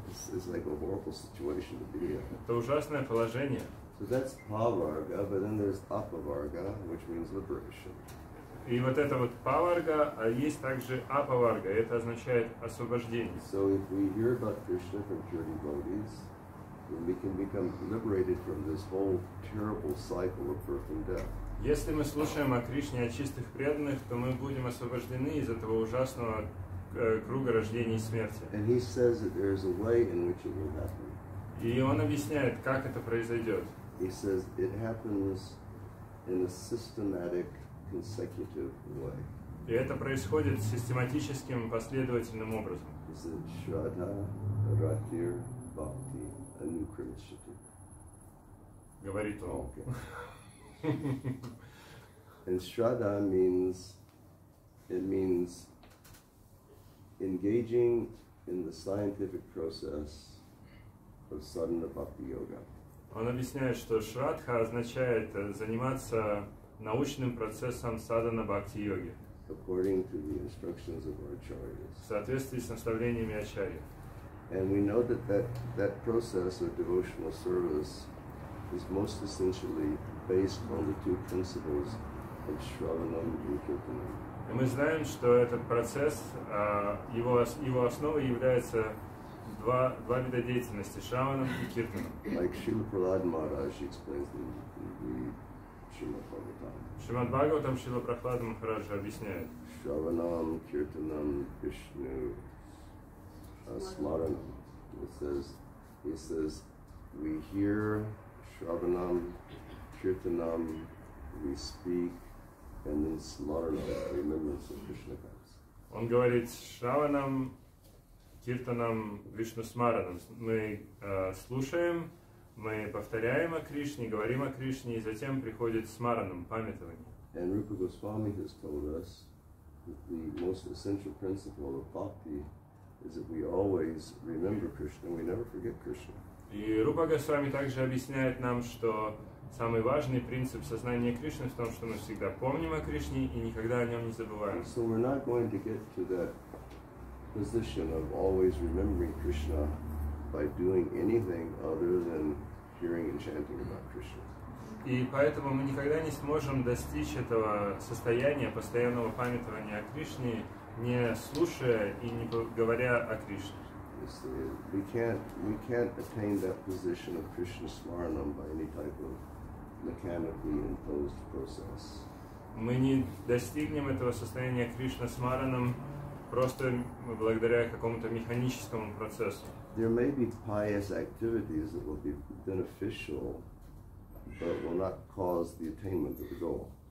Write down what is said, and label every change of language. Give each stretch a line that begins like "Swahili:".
English: It's like a horrible situation to be in.
Russian: Это ужасное положение.
English: So that's pavarga, but then there's apavarga, which means liberation.
Russian: И вот это вот паварга, а есть также апаварга, это означает освобождение.
English: So if we hear about Krishna from pure devotees, then we can become liberated from this whole terrible cycle of birth and death.
Russian: Если мы слушаем о Кришне, о чистых преданных, то мы будем освобождены из этого ужасного круга рождения и смерти.
English: And he says that there is a way in which it will happen.
Russian: И он объясняет, как это произойдет.
English: He says it happens in a systematic, consecutive way.
Russian: И это происходит систематическим, последовательным образом.
Sanskrit: Is it Shraddha, Ratir, Bhakti, Anukrimishati?
Russian: Говорит он.
English: Okay. And Shraddha means, it means engaging in the scientific process of sadhana bhakti yoga.
Russian: Он объясняет, что Shraddha означает заниматься научным процессом садхана бхакти йоги.
English: According to the instructions of our acharyas.
Russian: В соответствии с наставлениями ачарьев.
English: And we know that that process of devotional service is most essentially based on the two principles of shravanam and kirtanam.
Russian: И мы знаем, что этот процесс, его основой является два вида деятельности, шраванам и киртанам.
English: Like Srila Prahlada Maharaj explains them in the Srimad Bhagavatam.
Russian: Srimad Bhagavatam Srila Prahlada Maharaj объясняет.
Sanskrit: Shravanam, kirtanam, Vishnu, smaranam.
English: He says, we hear shravanam, kirtanam, we speak, and then smaranam, remembrance of Krishna comes.
Russian: Он говорит, шраванам, киртанам, вишну смаранам. Мы слушаем, мы повторяем о Кришне, говорим о Кришне, и затем приходит смаранам, памятование.
English: And Rupa Goswami has told us that the most essential principle of bhakti is that we always remember Krishna, we never forget Krishna.
Russian: И Рупа Госвами также объясняет нам, что самый важный принцип сознания Кришны в том, что мы всегда помним о Кришне и никогда о нем не забываем.
English: So we're not going to get to that position of always remembering Krishna, by doing anything other than hearing and chanting about Krishna.
Russian: И поэтому мы никогда не сможем достичь этого состояния постоянного памятования о Кришне, не слушая и не говоря о Кришне.
English: We can't attain that position of Krishna Smaranam by any type of mechanically imposed process.
Russian: Мы не достигнем этого состояния Кришна Смаранам просто благодаря какому-то механическому процессу.
English: There may be pious activities that will be beneficial, but will not cause the attainment of the goal.